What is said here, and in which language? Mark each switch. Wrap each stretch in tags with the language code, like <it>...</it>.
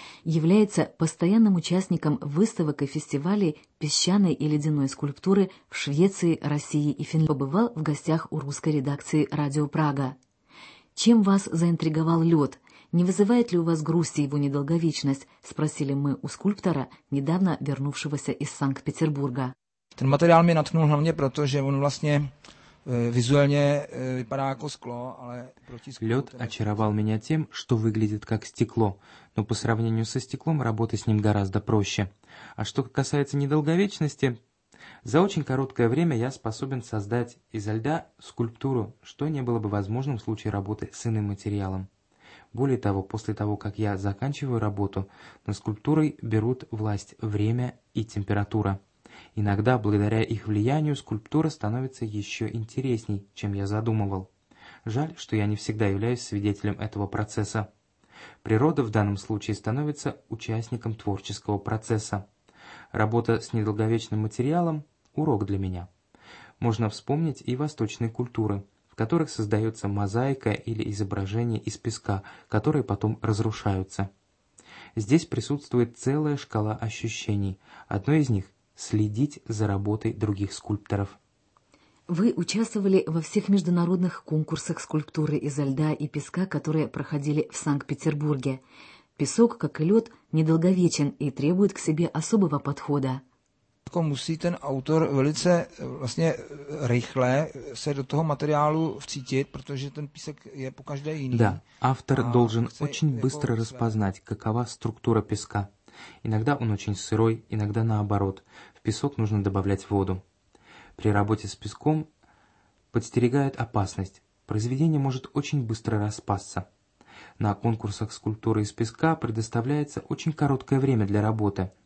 <ru>Является постоянным участником выставок и фестивалей песчаной и ледяной скульптуры в Швеции, России и Финляндии. Побывал в гостях у русской редакции «Радио Прага». «Чем вас заинтриговал лед? Не вызывает ли у вас грусти его недолговечность?» – спросили мы у скульптора, недавно вернувшегося из Санкт-Петербурга.</ru> <cs>Ten materiál mě natknul hlavně proto, že on vlastně vizuálně vypadá jako sklo, ale proti sklu. Lid očaroval mě tím, že vypadá jako sklo, no po srovnání se sklem, práce s ním je daleko prostší. A co se týká nedlouhověčnosti, za velmi krátké době jsem schopen vytvořit z ledu skulpturu, což nebylo by možné v případě práce s jiným materiálem.</cs> <ru>Более того, после того, как я заканчиваю работу, над скульптурой берут власть время и температура. Иногда, благодаря их влиянию, скульптура становится еще интересней, чем я задумывал. Жаль, что я не всегда являюсь свидетелем этого процесса. Природа в данном случае становится участником творческого процесса. Работа с недолговечным материалом – урок для меня. Можно вспомнить и восточные культуры, в которых создается мозаика или изображение из песка, которые потом разрушаются. Здесь присутствует целая шкала ощущений. Одно из них – следить за работой других скульпторов. Вы участвовали во всех международных конкурсах скульптуры изо льда и песка, которые проходили в Санкт-Петербурге. Песок, как и лед, недолговечен и требует к себе особого подхода.</ru> <cs>Musí ten autor velice vlastně rychle se do toho materiálu vcítit, protože ten písek je po každé jiný.</cs> <ru>Да, автор должен очень быстро распознать, какова структура песка. Иногда он очень сырой, иногда наоборот. В песок нужно добавлять воду. При работе с песком подстерегает опасность. Произведение может очень быстро распасться. На конкурсах скульптуры из песка предоставляется очень короткое время для работы.</ru>